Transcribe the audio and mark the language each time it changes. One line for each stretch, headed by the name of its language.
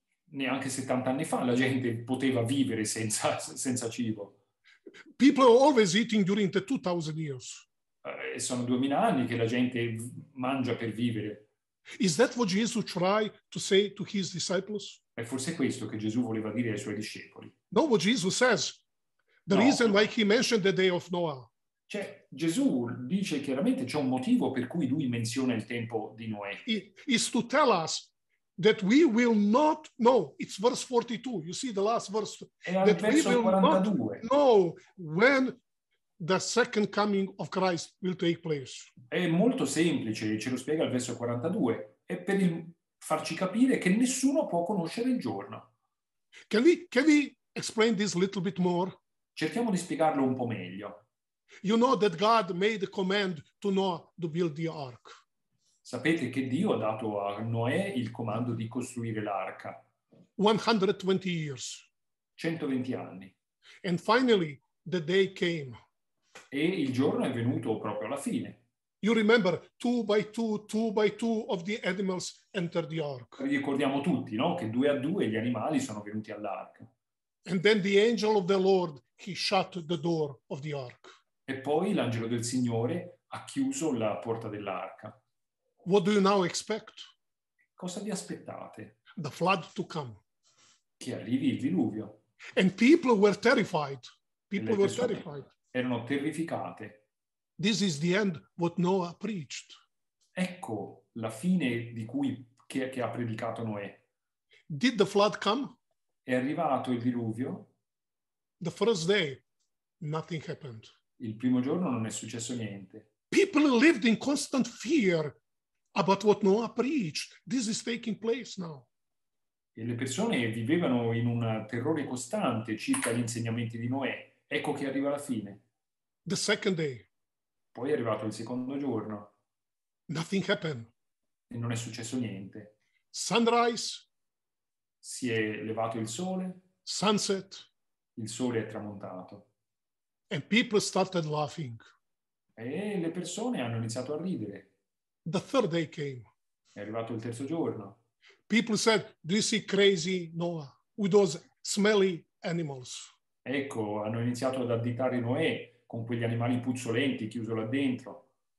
Italian: Neanche 70 anni fa la gente poteva vivere senza cibo.
English: People are always eating during the 2000 years.
Italian: Sono 2000 anni che la gente mangia per vivere.
English: Is that what Jesus tried to say to his disciples?
Italian: È forse questo che Gesù voleva dire ai suoi discepoli.
English: No, what Jesus says. The no. Reason why he mentioned the day of Noah.
Italian: Cioè, Gesù dice chiaramente c'è un motivo per cui lui menziona il tempo di Noè.
English: It's to tell us that we will not know. It's verse 42. You see the last verse. È that we will 42. Not know when the second coming of Christ will take place.
Italian: È molto semplice, ce lo spiega il verso 42. È per farci capire che nessuno può conoscere il giorno.
English: Can we explain this a little bit more?
Italian: Cerchiamo di spiegarlo un po' meglio.
English: You know that God made a command to Noah to build the ark.
Italian: Sapete che Dio ha dato a Noè il comando di costruire l'arca.
English: 120 years.
Italian: 120 anni.
English: And finally the day came.
Italian: E il giorno è venuto proprio alla fine.
English: You remember two by two of the animals entered the ark.
Italian: Ricordiamo tutti, no, che due a due gli animali sono venuti all'arca.
English: And then the angel of the Lord, he shut the door of the ark.
Italian: E poi l'angelo del Signore ha chiuso la porta dell'arca.
English: What do you now expect?
Italian: Cosa vi aspettate?
English: The flood to come.
Italian: Che arrivi il diluvio.
English: And people were terrified. People were terrified.
Italian: Erano terrificate.
English: This is the end what Noah preached.
Italian: Ecco la fine di cui che ha predicato Noè.
English: Did the flood come?
Italian: È arrivato il diluvio.
English: The first day, nothing happened.
Italian: Il primo giorno non è successo niente.
English: People lived in constant fear about what Noah preached. This is taking place now.
Italian: E le persone vivevano in un terrore costante circa gli insegnamenti di Noè. Ecco che arriva la fine.
English: The second day.
Italian: Poi è arrivato il secondo giorno.
English: Nothing happened.
Italian: E non è successo niente.
English: Sunrise.
Italian: Si è levato il sole.
English: Sunset.
Italian: Il sole è tramontato.
English: And people started laughing.
Italian: E le persone hanno iniziato a ridere.
English: The third day came.
Italian: È arrivato il terzo giorno.
English: People said, "This is crazy, Noah, with those smelly animals."
Italian: Ecco, hanno iniziato ad additare Noè con quegli animali puzzolenti chiuso là dentro.